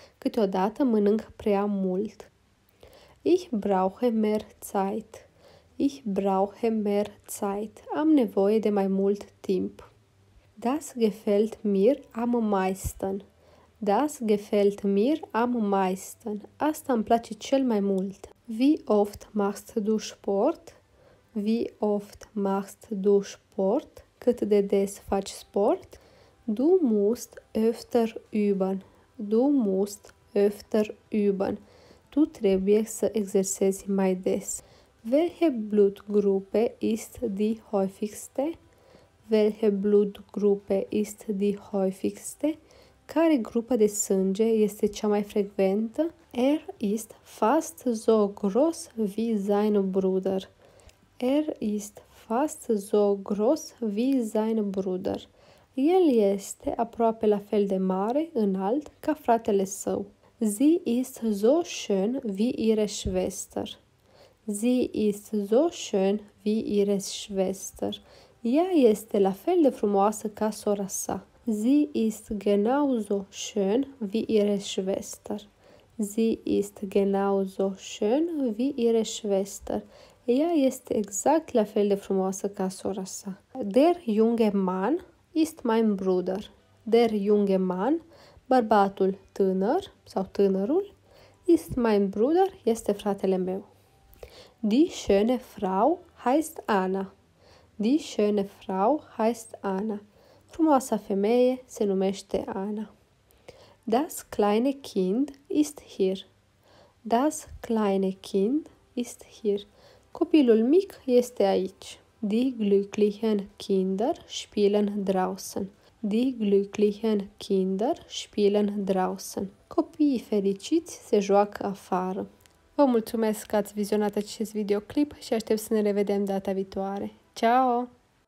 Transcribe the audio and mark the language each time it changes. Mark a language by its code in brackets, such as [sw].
[ro] Câteodată mănânc prea mult. [de] Ich brauche mehr Zeit. Ich brauche mehr Zeit. [ro] Am nevoie de mai mult timp. [de] Das gefällt mir am meisten. Das gefällt mir am meisten. [ro] Asta îmi place cel mai mult. [de] Wie oft machst du Sport? Wie oft machst du Sport? [ro] Cât de des faci sport? [de] Du musst öfter üben. Du musst öfter üben. [ro] Tu trebuie să exersezi mai des. [de] Welche Blutgruppe ist die häufigste? Welche Blutgruppe ist die häufigste? [ro] Care grupă de sânge este cea mai frecventă? [de] Ist fast so groß wie sein Bruder. Ist fast so groß wie sein Bruder. [ro] El este aproape la fel de mare, înalt, ca fratele său. [de] Sie ist so schön wie ihre Schwester. Sie ist so schön wie ihre Schwester. [ro] Ea este la fel de frumoasă ca sora sa. [de] Sie ist genauso schön wie ihre Schwester. Sie ist genauso schön wie ihre Schwester. [ro] Ea este exact la fel de frumoasă ca sora sa. [de] Der junge Mann ist mein Bruder. Der junge Mann, [ro] bărbatul tânăr sau tânărul, [de] ist mein Bruder, [ro] este fratele meu. [de] Die schöne Frau heißt Anna. Die schöne Frau heißt Anna. [ro] Frumoasa femeie se numește Anna. [de] Das kleine Kind ist hier. Das kleine Kind ist hier. [ro] Copilul mic este aici. [de] Die glücklichen Kinder spielen draußen. Die glücklichen Kinder spielen draußen. [ro] Copiii fericiți se joacă afară. Vă mulțumesc că ați vizionat acest videoclip și aștept să ne revedem data viitoare. Ciao!